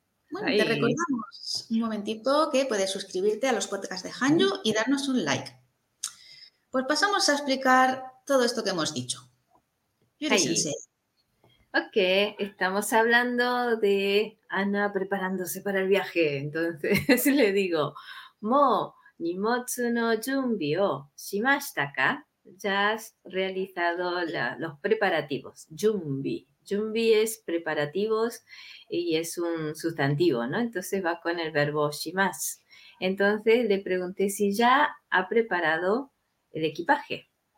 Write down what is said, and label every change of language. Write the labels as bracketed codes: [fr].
[es] Bueno, te recordamos un momentito que puedes suscribirte a los podcasts de Hanyu y darnos un like. Pues pasamos a explicar todo esto que hemos dicho. Ok, estamos hablando de Ana preparándose para el viaje. Entonces le digo, Mo, [ja] 荷物の準備をしましたか? [es] ya has realizado los preparativos. Jumbi. Jumbi es preparativos y es un sustantivo, ¿no? Entonces va con el verbo shimasu. Entonces le pregunté si ya ha preparado el equipaje.